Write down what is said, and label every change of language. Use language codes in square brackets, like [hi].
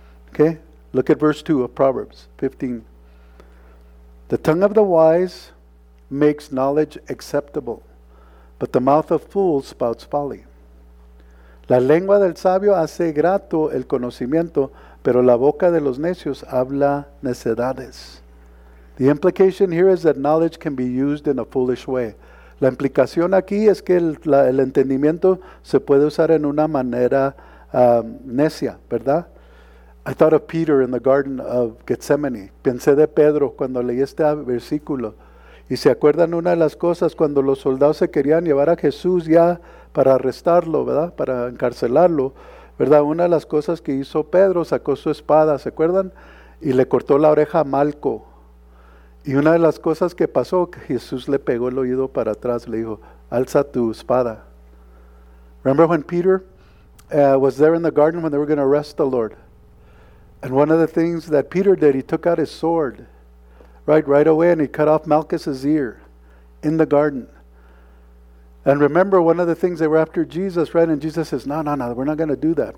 [en] Okay? Look at verse 2 of Proverbs 15. The tongue of the wise makes knowledge acceptable, but the mouth of fools spouts folly. [es] La lengua del sabio hace grato el conocimiento, pero la boca de los necios habla necedades. [en] The implication here is that knowledge can be used in a foolish way. [es] La implicación aquí es que el entendimiento se puede usar en una manera necia, ¿verdad? [en] I thought of Peter in the Garden of Gethsemane. [es] Pensé de Pedro cuando leí este versículo. Y se acuerdan una de las cosas cuando los soldados se querían llevar a Jesús ya para arrestarlo, ¿verdad? Para encarcelarlo, ¿verdad? Una de las cosas que hizo Pedro, sacó su espada, ¿se acuerdan? Y le cortó la oreja a Malco. Y una de las cosas que pasó, que Jesús le pegó el oído para atrás, le dijo, alza tu espada. [en] Remember when Peter was there in the garden when they were going to arrest the Lord? And one of the things that Peter did, he took out his sword, right away, and he cut off Malchus's ear in the garden. And remember, one of the things they were after Jesus, right? And Jesus says, no, we're not going to do that.